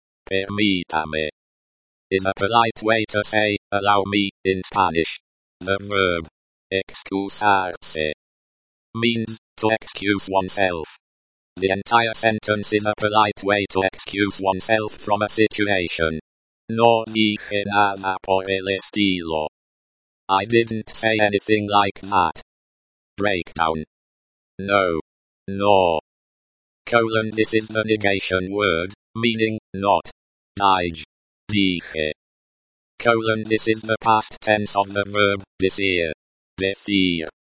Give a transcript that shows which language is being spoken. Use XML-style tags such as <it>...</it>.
<en>Permítame is a polite way to say, allow me, in Spanish. The verb, excusarse, means, to excuse oneself. The entire sentence is a polite way to excuse oneself from a situation.</en> <es>No dije nada por el estilo.</es> <en>I didn't say anything like that. Breakdown. No. No. Colon, this is the negation word, meaning, not. Dije. Dije. Colon, this is the past tense of the verb, decir. Decir.</en>